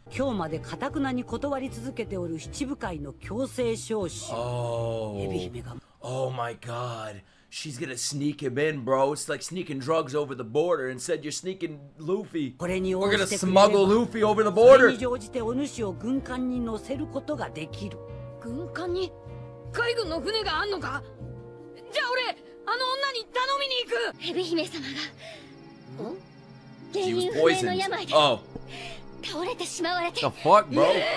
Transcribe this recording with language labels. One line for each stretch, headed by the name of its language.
Japanese: 今日まで堅くなに断り続けておる七部会の強制招集。
English: Oh my god. She's gonna sneak him in, bro. It's like sneaking drugs over the border and said you're sneaking Luffy.
Japanese: これに応じてくれれば。
English: We're gonna smuggle Luffy over the border.
Japanese: それに応じてお主を軍艦に乗せることができる。軍艦に海軍の船があんのか?じゃあ俺、あの女に頼みに行く! 蛇姫様が。ん?
English: She was poisoned. Oh. The fuck, bro?